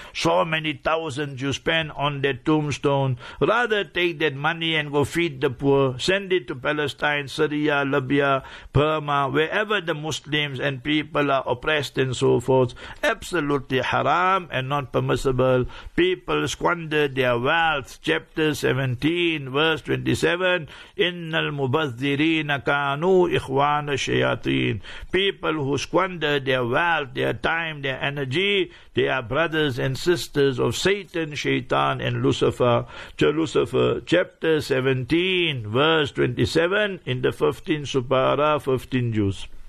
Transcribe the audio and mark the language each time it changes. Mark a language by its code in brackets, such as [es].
[en] So many thousands you spend on that tombstone. Rather take that money and go feed the poor. Send it to Palestine, Syria, Libya, Burma, wherever the Muslims and people are oppressed and so forth. Absolutely haram and not permissible. People squander their wealth. Chapter 17, verse 27, [ar] إِنَّ الْمُبَذِّرِينَ كَانُوا إِخْوَانَ الشَّيَاطِينَ. [en] People who squander their wealth, their time, their energy, they are brothers and sisters of Satan, Shaitan, and Lucifer. To Lucifer, chapter 17, verse 27, in the 15 Supara, 15 Jews.